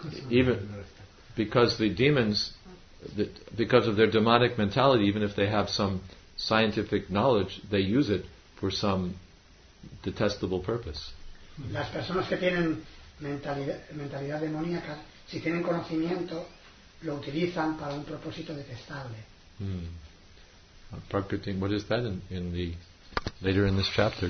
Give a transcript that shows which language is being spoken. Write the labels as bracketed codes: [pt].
[en] Even because the demons, because of their demonic mentality, even if they have some scientific knowledge, they use it for some detestable purpose. [es] Las personas que tienen mentalidad demoníaca, si tienen conocimiento, lo utilizan para un propósito detestable. [en] Prakritin, what is that in the later in this chapter?